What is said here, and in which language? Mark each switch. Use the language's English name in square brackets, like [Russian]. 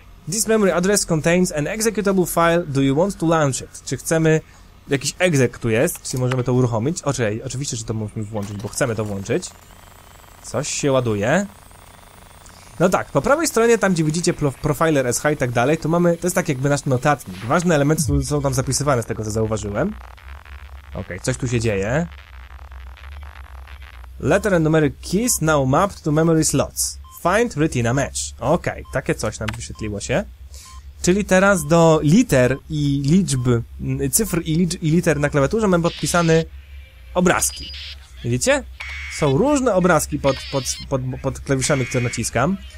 [English] This memory address contains an executable file, do you want to launch it? [Polish] Czy chcemy, jakiś exec tu jest, czy możemy to uruchomić? Oczywiście, że to musimy włączyć, bo chcemy to włączyć. Coś się ładuje. No tak, po prawej stronie, tam gdzie widzicie profiler SH i tak dalej, to mamy, to jest tak jakby nasz notatnik. Ważne elementy są tam zapisywane, z tego co zauważyłem. Ok, coś tu się dzieje. [English] Letter and numeric keys now mapped to memory slots. Find retina match. [Polish] Okej, okay, takie coś nam wyświetliło się. Czyli teraz do liter i liczb, cyfr i liter na klawiaturze mamy podpisane obrazki. Widzicie? Są różne obrazki pod klawiszami, które naciskam.